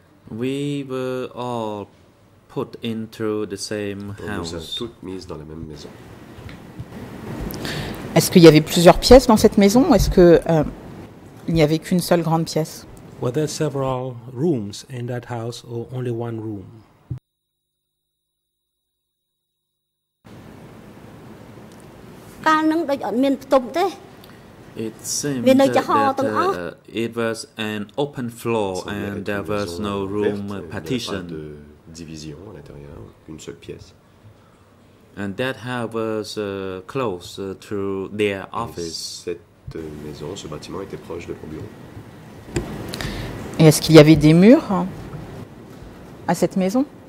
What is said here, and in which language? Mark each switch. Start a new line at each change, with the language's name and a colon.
English: We were all put into the same house.
French: On nous a toutes mises dans la même maison. Est-ce qu'il y avait plusieurs pièces dans cette maison ou est-ce que il n'y avait qu'une seule grande pièce?
English: Were there several rooms in that house or only one room? It seems that it was an open floor and there was no room partition.
French: Pas de division à l'intérieur, une seule pièce.
English: And that house was close to their office.
French: Et cette maison, ce bâtiment était proche de leur bureau. Et est-ce qu'il y avait des murs à cette maison?